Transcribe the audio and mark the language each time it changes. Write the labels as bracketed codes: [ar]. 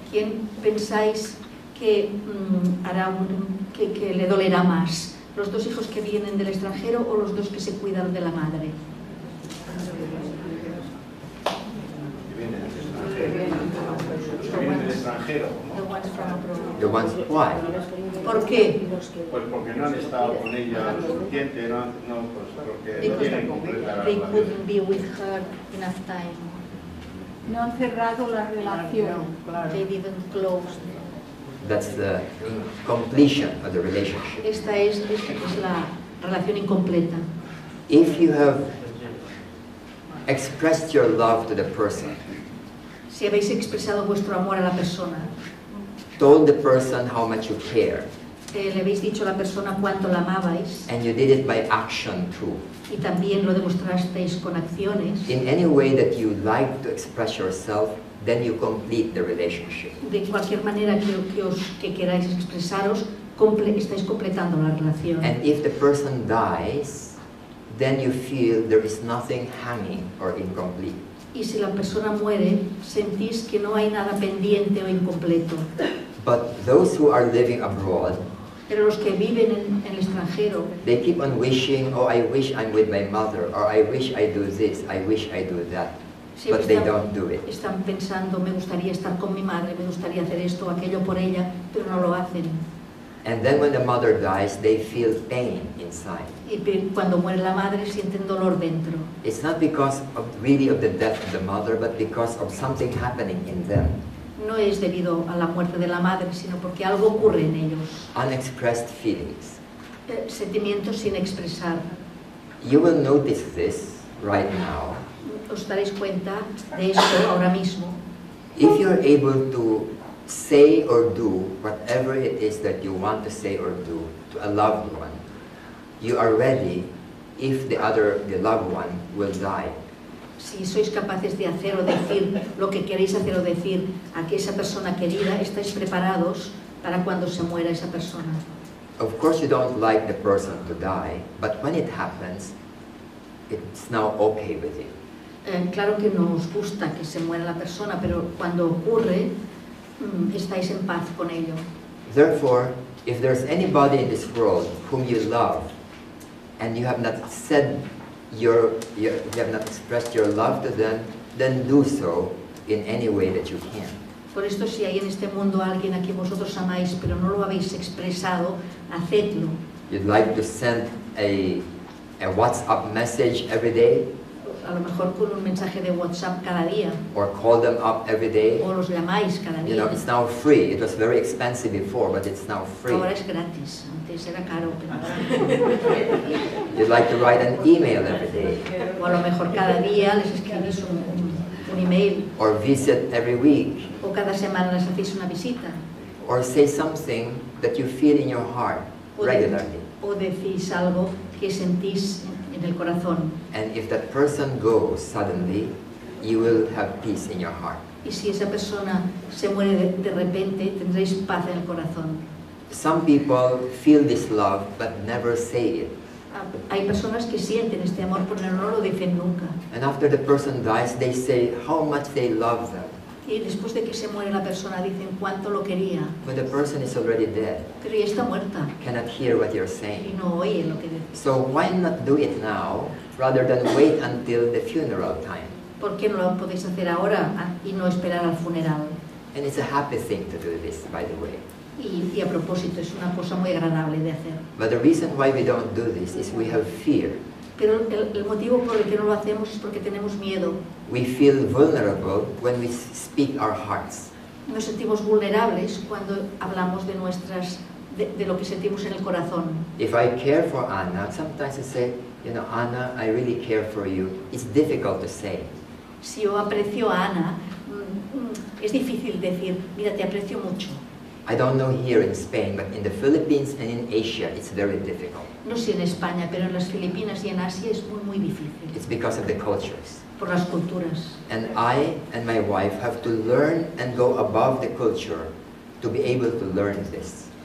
[es] ¿Quién pensáis que hará que le dolerá más? ¿Los dos hijos que vienen del extranjero o los dos que se cuidan de la madre? Extranjero, ¿no? [en] The ones from abroad. Why? [es] ¿Por qué? Pues porque no han estado con ella suficiente, no, pues porque [en] because [es] no tienen completa [en] they relación. Couldn't be with her enough time. [es] No han cerrado la relación. No, claro. [en] They didn't close. That's the incompletion of the relationship. [es] Esta es la relación incompleta. [en] If you have expressed your love to the person, [es] si habéis expresado vuestro amor a la persona, [en] told the person how much you care, [es] le habéis dicho a la persona cuánto la amabais, [en] and you did it by action too, [es] y también lo demostrasteis con acciones, [en] in any way that you like to express yourself, then you complete the relationship. [es] De cualquier manera que queráis expresaros, estáis completando la relación. [en] And if the person dies, then you feel there is nothing hanging or incomplete. [es] Y si la persona muere, sentís que no hay nada pendiente o incompleto. [en] But those who are living abroad, [es] pero los que viven en el extranjero, [en] they keep on wishing, oh, I wish I'm with my mother, or I wish I do this, I wish I do that. [es] Sí, [en] but they don't do it. [es] Están pensando, me gustaría estar con mi madre, me gustaría hacer esto o aquello por ella, pero no lo hacen. [en] And then when the mother dies, they feel pain inside. [es] Y cuando muere la madre, sienten dolor dentro. [en] It's not because of really of the death of the mother, but because of something happening in them. [es] No es debido a la muerte de la madre, sino porque algo ocurre en ellos. [en] Unexpressed feelings. [es] Sentimientos sin expresar. [en] You will notice this right now. [es] Os daréis cuenta de esto ahora mismo. [en] If you're able to say or do whatever it is that you want to say or do to a loved one, you are ready if the loved one will die. [es] Si sois capaces de hacer o decir lo que queréis hacer o decir a que esa persona querida, estáis preparados para cuando se muera esa persona. [en] Of course you don't like the person to die, but when it happens, it's now okay with you. [es] Claro que no os gusta que se muera la persona, pero cuando ocurre, estáis en paz con ello. [en] Therefore, if there's anybody in this world whom you love and you have not said you have not expressed your love to them, then do so in any way that you can. [es] Por esto, si hay en este mundo alguien a quien vosotros amáis pero no lo habéis expresado, hacedlo. [en] You'd like to send a WhatsApp message every day? [es] A lo mejor con un mensaje de WhatsApp cada día. [en] Or call them up every day. [es] O los llamáis cada día. [en] You know, it's now free. It was very expensive before, but it's now free. [es] Ahora es gratis. Antes era caro, pero [en] you'd like to write an email every day. [es] O a lo mejor cada día les escribís un email. [en] Or visit every week. [es] O cada semana les hacéis una visita. [en] Or say something that you feel in your heart regularly. [es] O decís algo que sentís en el corazón. [en] And if that person goes suddenly, you will have peace in your heart. [es] Y si esa persona se muere de repente, tendréis paz en el corazón. [en] Some people feel this love but never say it. [es] Hay personas que sienten este amor pero no lo dicen nunca. [en] And after the person dies, they say how much they love them. [es] Y después de que se muere la persona dicen cuánto lo quería. [en] But the person is already dead. [es] Pero ya está muerta. [en] Cannot hear what you're saying. [es] Y no oye lo que dice. [en] So why not do it now, rather than wait until the funeral time? [es] ¿Por qué no lo podéis hacer ahora y no esperar al funeral? [en] And it's a happy thing to do this, by the way. [es] Y a propósito, es una cosa muy agradable de hacer. [en] But the reason why we don't do this is we have fear. [es] Pero el motivo por el que no lo hacemos es porque tenemos miedo. [en] We feel vulnerable when we speak our hearts. [es] Nos sentimos vulnerables cuando hablamos de nuestras de lo que sentimos en el corazón. [en] If I care for Anna, sometimes I say, you know, Anna, I really care for you. It's difficult to say. [es] Si yo aprecio a Anna, es difícil decir, mira, te aprecio mucho. [en] I don't know here in Spain, but in the Philippines and in Asia, it's very difficult. [es] No sé en España, pero en las Filipinas y en Asia es muy, muy difícil. [en] It's because of the cultures. [es] Por las culturas. [en] And I and my wife have to learn and go above the culture to be able to learn this.